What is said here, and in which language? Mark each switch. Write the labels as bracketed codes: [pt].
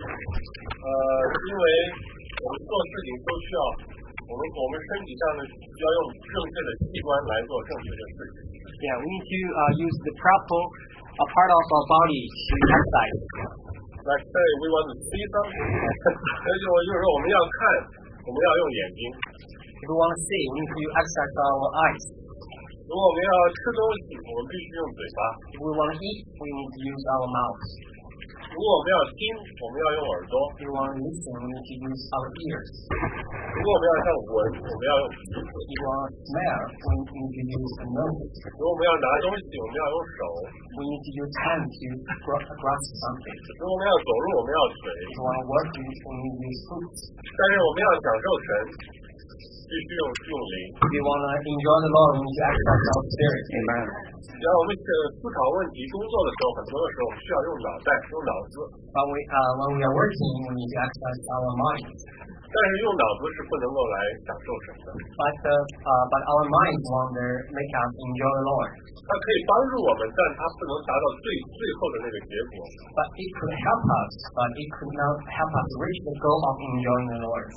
[en] Yeah, we need to use the proper a part of our body to exercise. Like say we want to see something. [zh] 就是说我们要看，我们要用眼睛。 [en] If we want to see, we need to exercise our eyes. [zh] 如果我们要吃东西，我们必须用嘴巴。 [en] If we want to eat, we need to use our mouth. [zh] 如果我们要听，我们要用耳朵。 [en] If you want to listen, we need to use our ears. [zh] 如果我们要像闻，我们要用鼻子。 [en] If you want to smell, we need to use the nose. [zh] 如果我们要拿东西，我们要用手。 [en] We need to use hands to grasp something. [zh] 如果我们要走路，我们要腿。 [en] If you want to walk, we need to use boots. [zh] 但是我们要享受神。必须用心灵。 [en] We want to enjoy the Lord, we need to exercise our spirit. Amen. [zh] 然后我们思考问题、工作的时候，很多的时候我们需要用脑袋、用脑子。 [en] When we are working, we need to exercise our mind. [zh] 但是用脑子是不能够来享受神的。 [en] But our minds want to make us enjoy the Lord. [zh] 它可以帮助我们，但它不能达到最后的那个结果。 [en] But it could help us, but it could not help us reach the goal of enjoying the Lord.